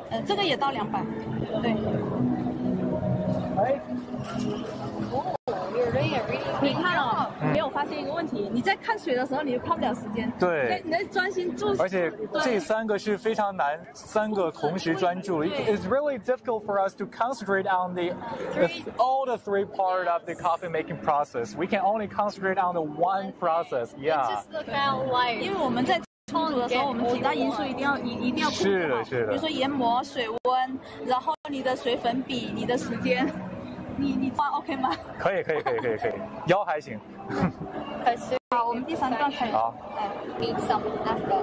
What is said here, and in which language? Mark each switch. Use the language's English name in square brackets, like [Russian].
[Chinese] 这个也到200，对。哎。你看哦，没有发现一个问题，你在看水的时候你就泡不了时间，对，你在专心注水，而且这三个是非常难，三个同时专注。 [English] It's really difficult for us to concentrate on all the three parts of the coffee making process. We can only concentrate on the one process. Yeah. It's just the kind of life. [Chinese] 因为我们在冲煮的时候，我们其他因素一定要控制好，是的，是的。比如说研磨、水温，然后你的水粉比、你的时间，你放 OK 吗？可以，可以，可以，可以，可以，腰还行。可是。好，我们第三段开始。好。第三段，